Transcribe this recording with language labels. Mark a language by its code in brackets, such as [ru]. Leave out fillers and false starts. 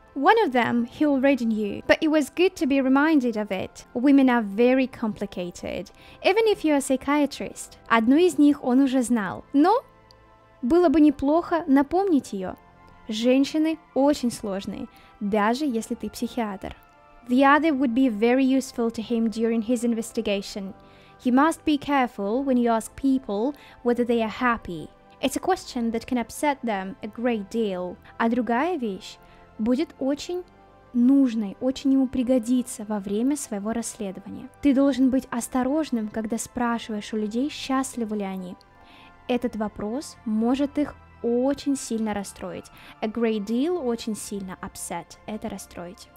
[en] One of them he already knew, but it was good to be reminded of it. Women are very complicated, even if you're a psychiatrist. [ru] Одну из них он уже знал, но было бы неплохо напомнить ее. Женщины очень сложные, даже если ты психиатр. [en] The other would be very useful to him during his investigation. You must be careful when you ask people whether they are happy. It's a question that can upset them a great deal. [ru] А другая вещь будет очень нужной, очень ему пригодится во время своего расследования. Ты должен быть осторожным, когда спрашиваешь у людей, счастливы ли они. Этот вопрос может их очень сильно расстроить. [en] A great deal [ru] очень сильно upset. Это расстроить.